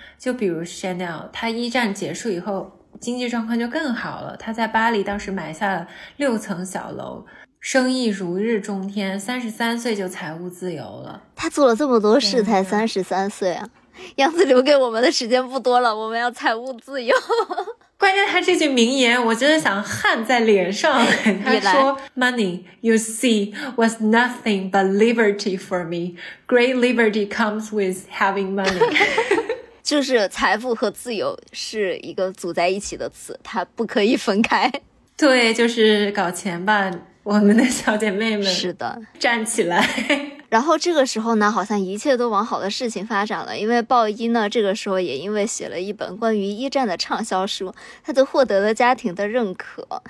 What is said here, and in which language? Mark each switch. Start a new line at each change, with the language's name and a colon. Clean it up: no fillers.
Chinese: 就比如 Chanel， 他一战结束以后经济状况就更好了，他在巴黎当时买下了六层小楼，生意如日中天，33岁就财务自由了。他做了这么多事才33岁啊，样子留给我们的时间不多了，我们要财务自由。关键他这句名言我真的想焊在脸上。
English: 他说 Money you see was nothing but liberty for me. Great liberty comes with having money.
Chinese: 就是财富和自由是一个组在一起的词，它不可以分开。对，就是搞钱吧我们的小姐妹们。是的，站起来。然后这个时候呢，好像一切都往好的事情发展了，因为鲍伊呢这个时候也因为写了一本关于一战的畅销书，他就获得了家庭的认可。